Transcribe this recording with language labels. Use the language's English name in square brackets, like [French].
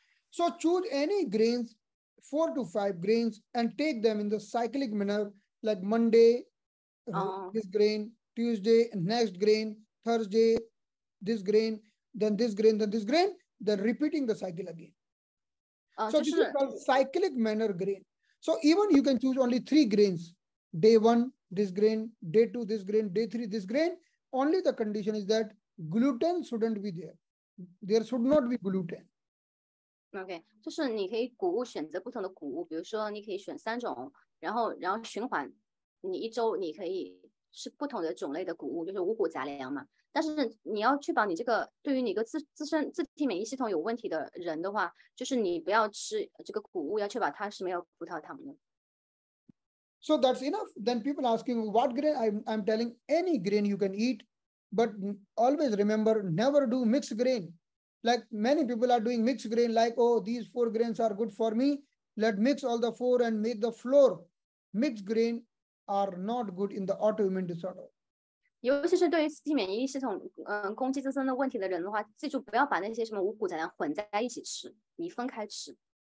[English] So choose any grains, 4 to 5 grains, and take them in the cyclic manner, like Monday, this grain, Tuesday, next grain, Thursday, this grain, then this grain, then this grain, then repeating the cycle again. So this is called cyclic manner grain. So even you can choose only 3 grains, day 1, this grain, day 2, this grain, day 3, this grain. Only the condition is that gluten shouldn't be there. There should not be gluten. [Chinese] Okay, 就是你可以谷物选择不同的谷物，比如说你可以选三种，然后循环，你一周你可以吃不同的种类的谷物，就是五谷杂粮嘛。但是你要确保你这个对于你个自身自体免疫系统有问题的人的话，就是你不要吃这个谷物，要确保它是没有葡萄糖的。 [English] So that's enough. Then people asking what grain? I'm telling any grain you can eat, but always remember never do mixed grain. Like many people are doing mixed grain, like, oh, these 4 grains are good for me. Let mix all the 4 and make the floor. Mixed grain are not good in the autoimmune disorder. [Chinese] 尤其是对于自体免疫系统攻击自身的问题的人的话，记住不要把那些什么五谷杂粮混在一起吃，你分开吃。